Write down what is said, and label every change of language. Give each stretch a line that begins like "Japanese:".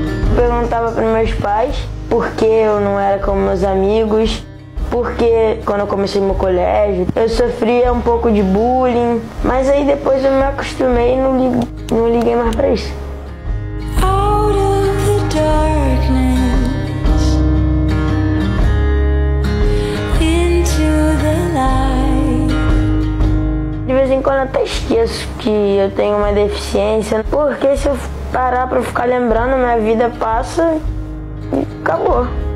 Portuguese: Eu perguntava para meus pais por que eu não era como meus amigos. Porque quando eu comecei meu colégio, eu sofria um pouco de bullying, mas aí depois eu me acostumei e não liguei mais pra isso.
English: Out of the darkness, into the light.
Portuguese: De vez em quando eu até esqueço que eu tenho uma deficiência, porque se eu parar pra ficar lembrando, minha vida passa e acabou.